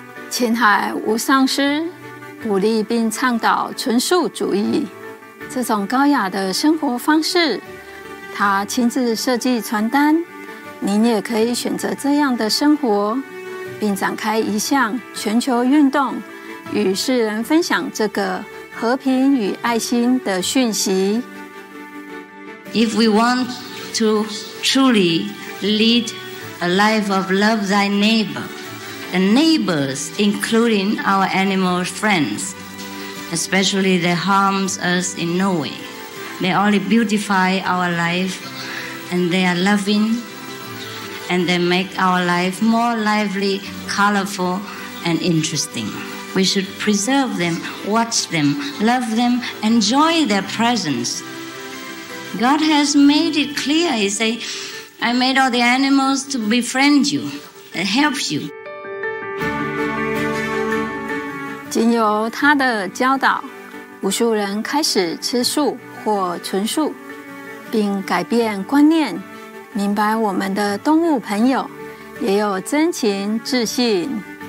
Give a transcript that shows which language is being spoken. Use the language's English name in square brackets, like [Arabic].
[Chinese] 青海无上师鼓励并倡导纯素主义，这种高雅的生活方式，他亲自设计传单，您也可以选择这样的生活，并展开一项全球运动，与世人分享这个和平与爱心的讯息。 [English] If we want to truly lead a life of love thy neighbor, the neighbors, including our animal friends, especially the harms us in no way, may only beautify our life, and they are loving, and they make our life more lively, colorful, and interesting. We should preserve them, watch them, love them, enjoy their presence. God has made it clear. He said, I made all the animals to befriend you and help you. [Chinese] 经由他的教导，无数人开始吃素或纯素，并改变观念，明白我们的动物朋友也有真情自信。